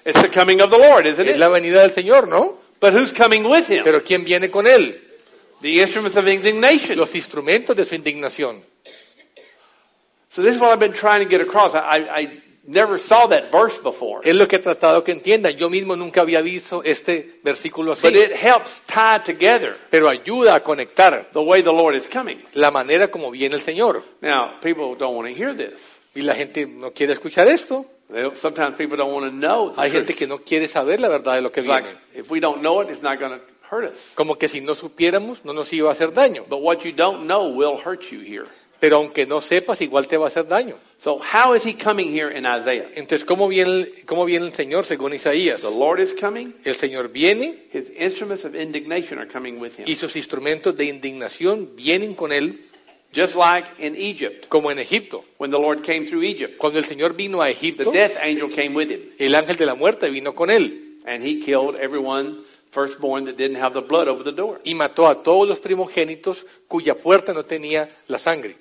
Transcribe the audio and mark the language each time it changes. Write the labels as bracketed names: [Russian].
[English] It's the coming of the Lord, isn't it? [Spanish] Es la venida del Señor, ¿no? [English] But who's coming with him? [Spanish] ¿Pero quién viene con él? [English] The instruments of indignation. [Spanish] Los instrumentos de su indignación. [English] So this is what I've been trying to get across. I never saw that verse before. [Spanish] Es lo que he tratado que entiendan. Yo mismo nunca había visto este versículo así. [English] But it helps tie together. [Spanish] Pero ayuda a conectar. [English] The way the Lord is coming. [Spanish] La manera como viene el Señor. [English] Now people don't want to hear this. [Spanish] Y la gente no quiere escuchar esto. [English] Sometimes people don't want to know. [Spanish] Hay gente que no quiere saber la verdad de lo que viene. [English] If we don't know it, it's not going to hurt us. [Spanish] Como que si no supiéramos, no nos iba a hacer daño. [English] But what you don't know will hurt you here. [Spanish] Pero aunque no sepas, igual te va a hacer daño. [English] So how is he coming here in Isaiah? [Spanish] Entonces, ¿cómo viene el Señor según Isaías? [English] The Lord is coming. [Spanish] El Señor viene. [English] His instruments of indignation are coming with him. [Spanish] Y sus instrumentos de indignación vienen con él. [English] Just like in Egypt. [Spanish] Como en Egipto. [English] When the Lord came through Egypt. [Spanish] Cuando el Señor vino a Egipto. [English] The death angel came with him. [Spanish] El ángel de la muerte vino con él. [English] And he killed everyone firstborn that didn't have the blood over the door. [Spanish] Y mató a todos los primogénitos cuya puerta no tenía la sangre.